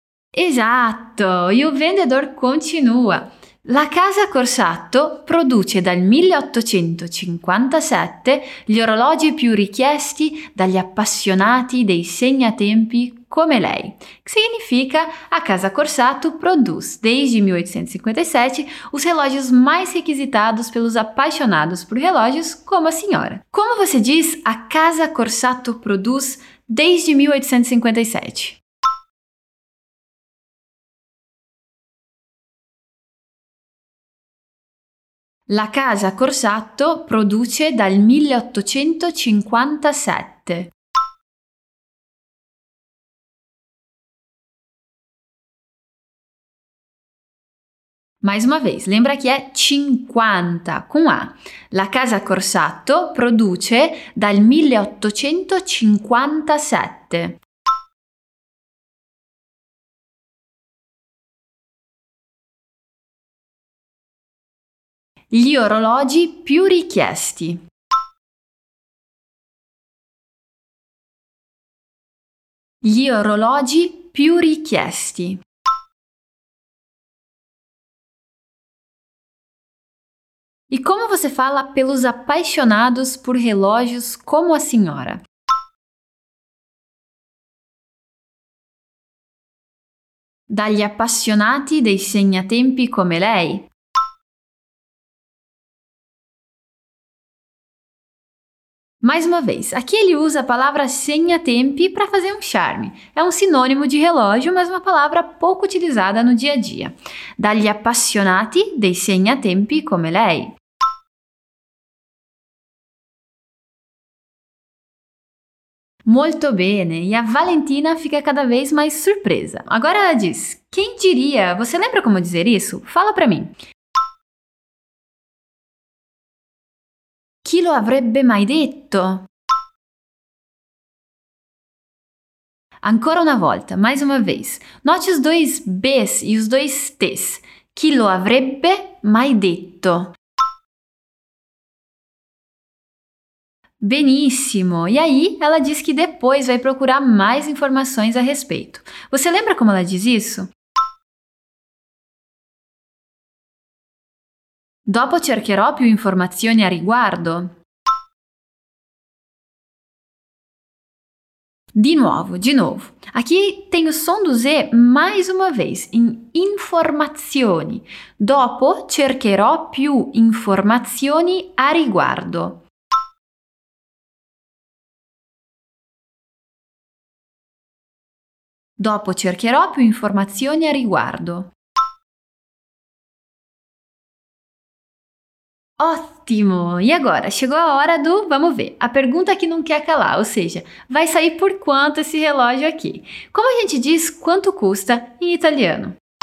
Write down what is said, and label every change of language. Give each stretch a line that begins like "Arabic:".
Italian: Esatto,
Portuguese: il vendedor continua.
Italian: La casa Corsatto produce dal 1857 gli orologi più richiesti dagli appassionati dei segnatempi come lei.
Portuguese: Significa a casa Corsatto produz desde 1857 os relógios mais requisitados pelos apaixonados por relógios como a senhora. Como você diz a casa Corsatto produz desde 1857?
Italian: La casa Corsatto produce dal 1857.
Portuguese: Mais uma vez, lembra que é 50 com A.
Italian: La casa Corsatto produce dal 1857. Gli orologi più richiesti. Gli orologi più richiesti.
Portuguese: E come você fala pelos apaixonados por relógios como a senhora?
Italian: Dagli appassionati dei segnatempi come lei?
Portuguese: Mais uma vez, aqui ele usa a palavra segnatempi para fazer um charme. É um sinônimo de relógio, mas uma palavra pouco utilizada no dia a dia.
Italian: Dagli appassionati dei segnatempi come lei. Molto bene,
Portuguese: e a Valentina fica cada vez mais surpresa. Agora ela diz, quem diria? Você lembra como dizer isso? Fala para mim.
Italian: Chi lo avrebbe mai detto? Ancora una volta,
Portuguese: mais uma vez. Note os dois B's e os dois T's.
Italian: Chi lo avrebbe mai detto? Benissimo!
Portuguese: E aí, ela diz que depois vai procurar mais informações a respeito. Você lembra como ela diz isso?
Italian: Dopo cercherò più informazioni a riguardo.
Portuguese: De novo. Aqui tem o som do Z mais uma vez, em informazioni.
Italian: Dopo cercherò più informazioni a riguardo. Dopo cercherò più informazioni a riguardo.
Portuguese: Ótimo! E agora, chegou a hora do vamos ver. A pergunta que não quer calar, ou seja, vai sair por quanto esse relógio aqui? Como a gente diz quanto custa em italiano?